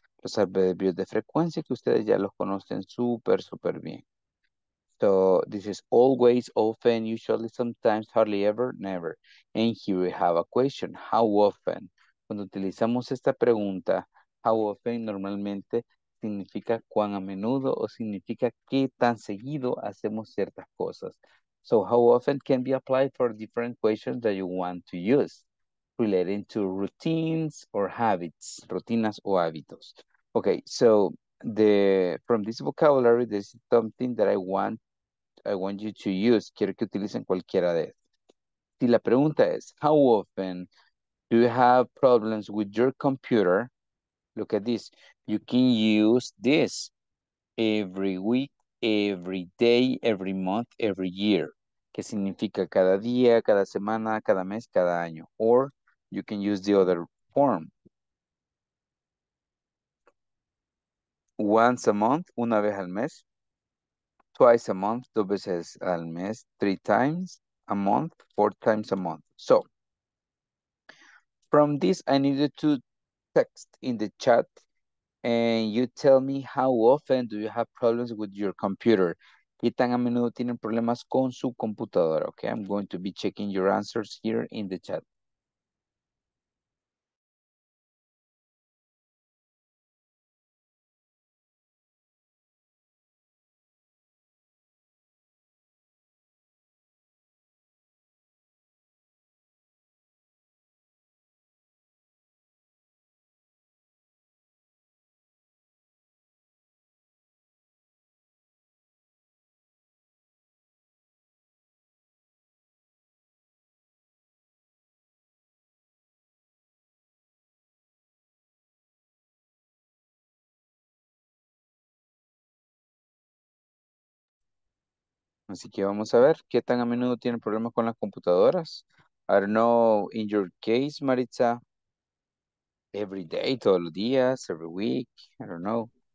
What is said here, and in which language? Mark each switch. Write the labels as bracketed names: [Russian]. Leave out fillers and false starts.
[Spanish] Los adverbios de frecuencia que ustedes ya los conocen súper, súper bien. [English] So this is always, often, usually, sometimes, hardly ever, never. And here we have a question, how often? [Spanish] Cuando utilizamos esta pregunta, how often, normalmente significa cuán a menudo o significa qué tan seguido hacemos ciertas cosas. [English] So how often can be applied for different questions that you want to use relating to routines or habits, [Spanish] rutinas o hábitos. [English] Okay, so the from this vocabulary, this is something that I want you to use. [Spanish] Quiero que utilicen cualquiera de estas. Si la pregunta es, [English] how often do you have problems with your computer? Look at this. You can use this every week, every day, every month, every year. [Spanish] ¿Qué significa cada día, cada semana, cada mes, cada año? [English] Or you can use the other form. Once a month, [Spanish] una vez al mes. [English] Twice a month, [Spanish] dos veces al mes. [English] Three times a month, four times a month. So, from this, I need you to text in the chat and you tell me how often do you have problems with your computer. [Spanish] ¿Qué tan a menudo tienen problemas con su computadora? [English] Okay, I'm going to be checking your answers here in the chat. [Spanish] Así que vamos a ver qué tan a menudo tienen problemas con las computadoras. [English] I don't know, in your case, Maritza, every day, [Spanish] todos los días, [English] every week, I don't know.